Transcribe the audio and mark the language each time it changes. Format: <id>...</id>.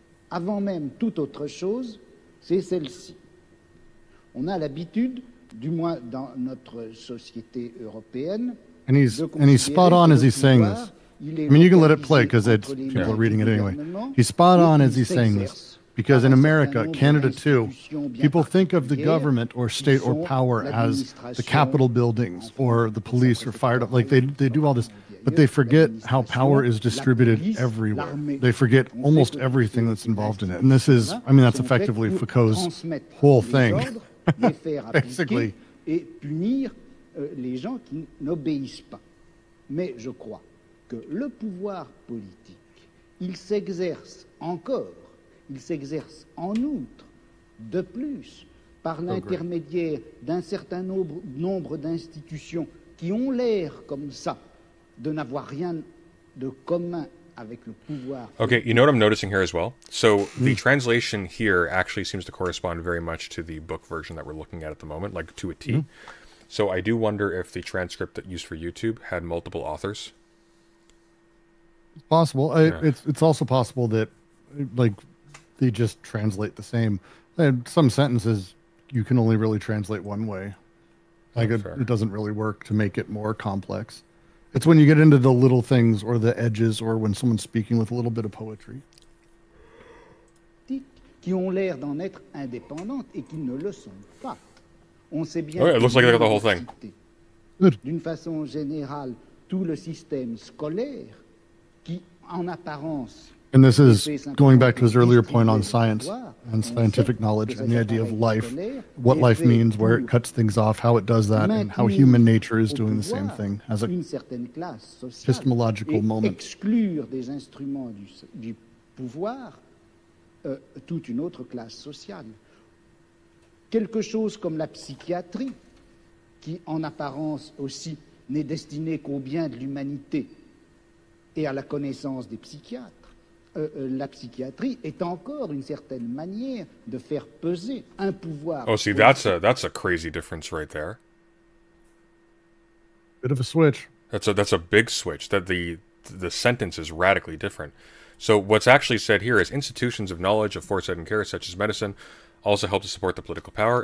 <fr>Avant même toute autre chose, c'est celle-ci. On a l'habitude, du moins dans notre société européenne,</fr> <en>and he's spot on as he's saying this. I mean, you can let it play because people are reading it anyway. He's spot on as he's saying this because in America, Canada too, people think of the government or state or power as the Capitol buildings or the police or fire. Like they do all this. But they forget how power is distributed everywhere. They forget almost everything that's involved in it. And this is, I mean, that's effectively Foucault's whole thing, basically.</en> <fr>Et punir les gens qui n'obéissent pas. Mais je crois que le pouvoir politique, il s'exerce encore, il s'exerce en outre, de plus, par l'intermédiaire d'un certain nombre d'institutions qui ont l'air comme ça. De n'avoir rien de commun avec le pouvoir.</fr> <en>Okay, you know what I'm noticing here as well? So the translation here actually seems to correspond very much to the book version that we're looking at the moment, like to a T. Mm-hmm. So I do wonder if the transcript that used for YouTube had multiple authors. It's possible. Yeah. It's also possible that like they just translate the same. And some sentences you can only really translate one way. Like it doesn't really work to make it more complex. It's when you get into the little things or the edges or when someone's speaking with a little bit of poetry.</en> <fr>Qui ont l'air d'en être indépendantes et qui ne le sont pas. On sait bien.</fr> <en>Okay, it looks like they got the whole thing.</en> <fr>D'une façon générale, tout le système scolaire qui en apparence.</fr> <en>And this is going back to his earlier point on science and scientific knowledge and the idea of life, what life means, where it cuts things off, how it does that, and how human nature is doing the same thing as a epistemological moment.</en> <fr>Exclure des instruments du pouvoir toute une autre classe sociale. Quelque chose comme la psychiatrie, qui en apparence aussi n'est destinée qu'au bien de l'humanité et à la connaissance des psychiatres. La psychiatrie est encore une certaine manière de faire peser un pouvoir.</fr> <en>Oh, see, that's a crazy difference right there. Bit of a switch. That's a big switch. That the sentence is radically different. So what's actually said here is institutions of knowledge, of foresight and care, such as medicine, also help to support the political power.</en>